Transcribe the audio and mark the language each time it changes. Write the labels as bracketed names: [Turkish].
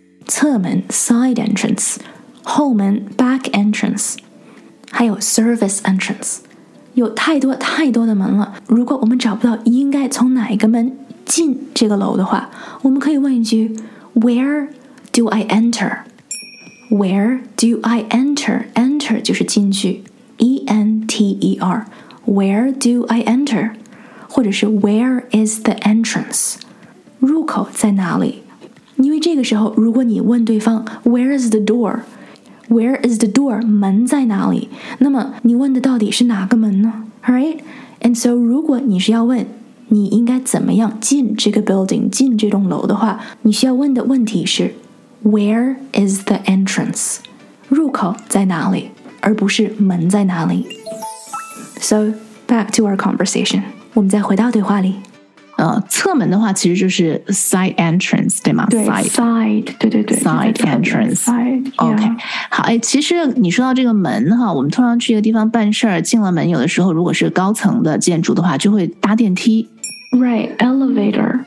[Chinese] 侧门 [English] side entrance， [Chinese] 后门 [English] back entrance， [Chinese] 还有 [English] service entrance， [Chinese] 有太多太多的门了。如果我们找不到应该从哪一个门进这个楼的话，我们可以问一句 [English] Where do I enter？ Where do I enter？ Enter [Chinese] 就是进去 [English] E-N-T-E-R。 Where do I enter？ [Chinese] 或者是 [English] Where is the entrance？ [Chinese] 入口在哪里？因为这个时候如果你问对方 [English] Where is the door? Where is the door? [Chinese] 门在哪里？那么你问的到底是哪个门呢？ [English] Alright? And so [Chinese] 如果你是要问你应该怎么样进这个 building， 进这栋楼的话，你需要问的问题是 [English] Where is the entrance? [Chinese] 入口在哪里，而不是门在哪里。 [English] So back to our conversation， [Chinese] 我们再回到对话里。侧门的话其实就是 [English] side entrance， [Chinese] 对吗？对， side， 对对对， [English] side entrance， side， OK、 yeah. [Chinese] 好，哎，其实你说到这个门哈，我们通常去一个地方办事儿，进了门有的时候如果是高层的建筑的话就会搭电梯， [English] right， elevator，